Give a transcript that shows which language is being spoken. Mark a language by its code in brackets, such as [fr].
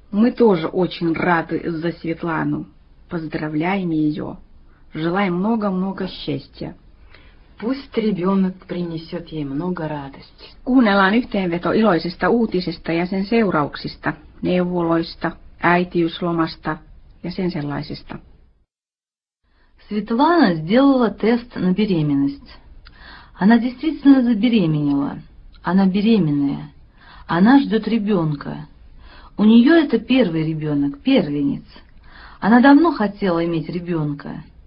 [ru] Мы тоже очень рады за Светлану. Поздравляем ее. Желаем много-много счастья. Пусть ребенок принесет ей много радости. [fi] Kuunnellaan yhteenveto iloisista uutisista ja sen seurauksista, neuvoloista, äitiyslomasta ja sen sellaisista. [ru] Светлана сделала тест на беременность. Она действительно забеременела. Она беременная. Она ждет ребенка. У нее это первый ребенок, первенец. Она давно хотела иметь ребенка.